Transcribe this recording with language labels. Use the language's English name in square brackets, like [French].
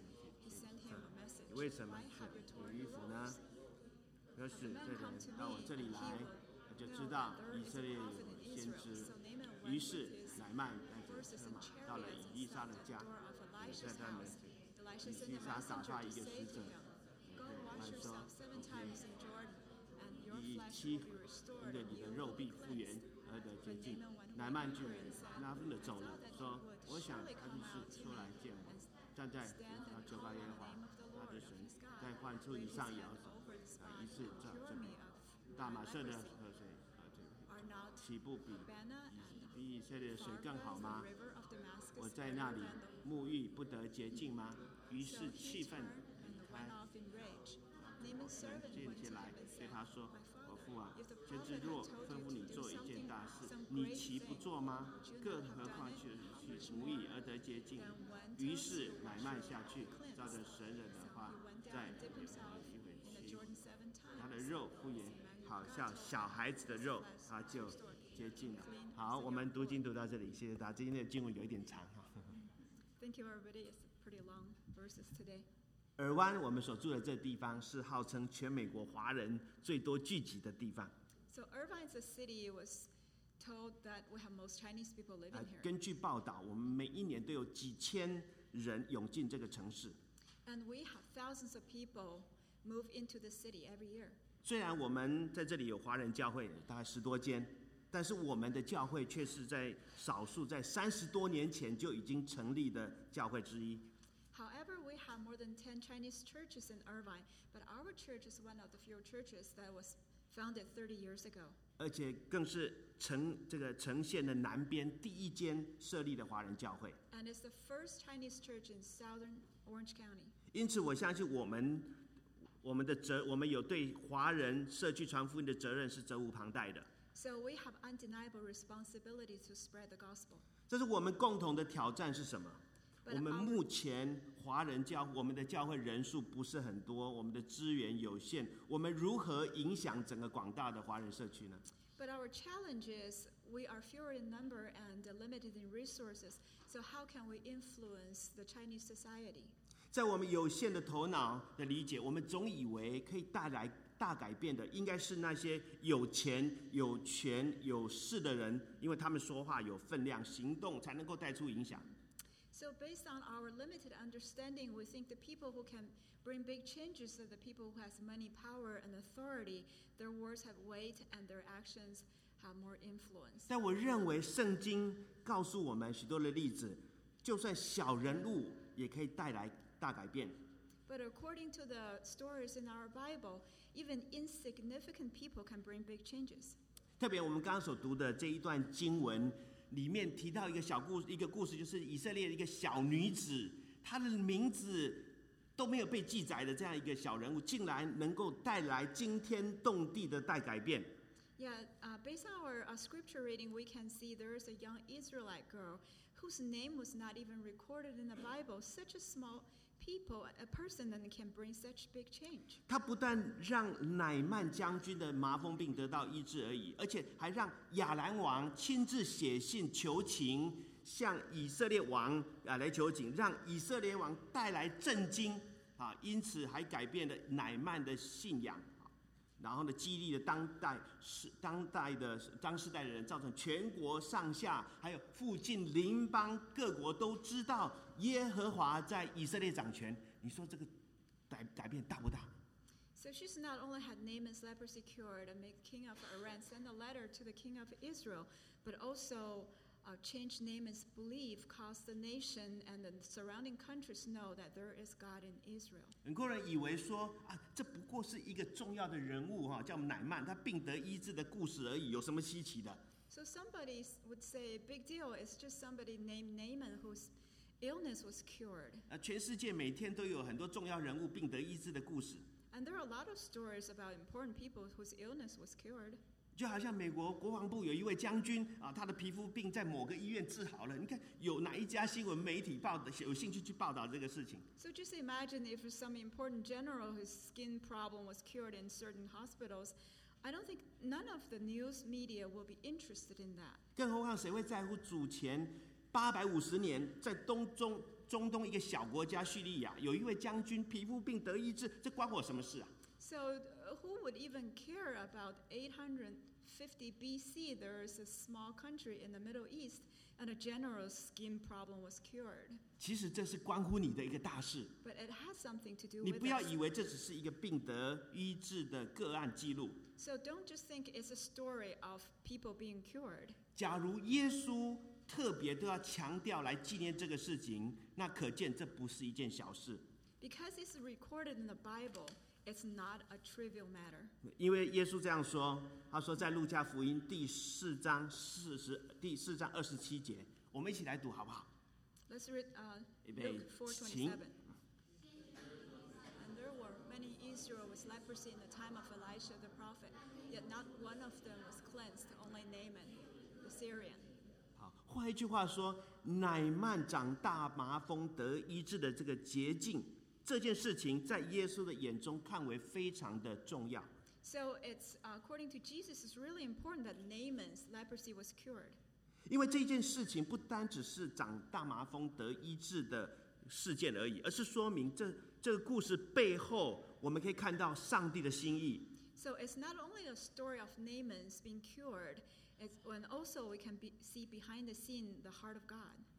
[Chinese] 去问：“ 你为什么去脱衣服呢？” 要是这人到我这里来，他就知道以色列有先知。于是乃曼带着车马到了以丽莎的家，也在他们。以丽莎打发一个使者。 [English] Go wash yourself seven times in Jordan, and your flesh will be restored. [Chinese] 你的肉必复原而得洁净。乃曼就拿分的走了，说：“我想他就是出来见我，站在他酒吧耶和华他的神，在患处以上摇手，啊，一次照这边大马色的河水和这岂不比以色列的水更好吗？我在那里沐浴不得洁净吗？” 于是气愤。 [English] Went off in rage. Good. Let's read to this point. Thank you. Today's scripture is a bit long. Thank you, everybody. It's pretty long verses today. [Chinese] 尔湾，我们所住的这地方是号称全美国华人最多聚集的地方。 [English] So Irvine is a city was told that we have most Chinese people living here. [Chinese] 根据报道，我们每一年都有几千人涌进这个城市。 [English] And we have thousands of people move into the city every year. [Chinese] 虽然我们在这里有华人教会，大概十多间，但是我们的教会却是在少数在三十多年前就已经成立的教会之一。 [English] However, we have more than 10 Chinese churches in Irvine, but our church is one of the few churches that was founded 30 years ago. [Chinese] 而且更是城这个城县的南边第一间设立的华人教会。 [English] And it's the first Chinese church in Southern Orange County. [Chinese] 因此，我相信我们有对华人社区传福音的责任是责无旁贷的。 [English] So we have undeniable responsibility to spread the gospel. [Chinese] 这是我们共同的挑战是什么？我们目前华人教我们的教会人数不是很多，我们的资源有限，我们如何影响整个广大的华人社区呢？ [English] But our challenge is we are fewer in number and limited in resources. So how can we influence the Chinese society? [Chinese] 在我们有限的头脑的理解，我们总以为可以带来大改变的，应该是那些有钱、有权、有势的人，因为他们说话有分量，行动才能够带出影响。 [English] So based on our limited understanding, we think the people who can bring big changes are the people who have money, power, and authority. Their words have weight, and their actions have more influence. [Chinese] 但我认为圣经告诉我们许多的例子，就算小人物也可以带来大改变。 [English] But according to the stories in our Bible, even insignificant people can bring big changes. [Chinese] 特别我们刚刚所读的这一段经文里面提到一个小故事，一个故事就是以色列一个小女子，她的名字都没有被记载的这样一个小人物，竟然能够带来惊天动地的大改变。 [English] Yeah, based on our scripture reading, we can see there is a young Israelite girl whose name was not even recorded in the Bible. Such a small people, a person, and can bring such big change. [Chinese] 他不但让乃曼将军的麻风病得到医治而已，而且还让亚兰王亲自写信求情，向以色列王啊来求情，让以色列王带来震惊啊，因此还改变了乃曼的信仰。然后呢，激励了当时代的人，造成全国上下，还有附近邻邦各国都知道耶和华在以色列掌权。你说这个改变大不大 [English] ？So she's not only had Naaman's leprosy cured and made king of Aram send a letter to the king of Israel, but also changed Naaman's belief, caused the nation and the surrounding countries know that there is God in Israel. [Chinese] 很多人以为说啊，这不过是一个重要的人物哈，叫乃曼，他病得医治的故事而已，有什么稀奇的 [English] ？So somebody would say, big deal. It's just somebody named Naaman whose illness was cured. [Chinese] 全世界每天都有很多重要人物病得医治的故事。 [English] And there are a lot of stories about important people whose illness was cured. [Chinese] 就好像美国国防部有一位将军啊，他的皮肤病在某个医院治好了。你看有哪一家新闻媒体报的有兴趣去报道这个事情 [English] ？So just imagine if some important general whose skin problem was cured in certain hospitals, I don't think none of the news media will be interested in that. [Chinese] 更何况谁会在乎主前850年在中东一个小国家叙利亚有一位将军皮肤病得医治，这关我什么事啊？ [English] So who would even care about 850 BC? There is a small country in the Middle East, and a general's skin problem was cured. [Chinese] 其实这是关乎你的一个大事。 [English] But it has something to do with. [Chinese] 你不要以为这只是一个病得医治的个案记录。 [English] So don't just think it's a story of people being cured. [Chinese] 假如耶稣特别都要强调来纪念这个事情，那可见这不是一件小事。 [English] Because it's recorded in the Bible. It's not a trivial matter. [Chinese] 因为耶稣这样说，他说在路加福音第四章二十七节，我们一起来读好不好 [English] ？Let's read Luke 4:27. And there were many Israel with leprosy in the time of Elisha the prophet, yet not one of them was cleansed, only Naaman, the Syrian. [Chinese] 好，换一句话说，乃曼长大麻风得医治的这个捷径。这件事情在耶稣的眼中看为非常的重要。 [English] So it's according to Jesus, it's really important that Naaman's leprosy was cured. [Chinese] 因为这件事情不单只是长大麻风得医治的事件而已，而是说明这个故事背后我们可以看到上帝的心意。 [English] So it's not only a story of Naaman's being cured, it's when also we can see behind the scene the heart of God.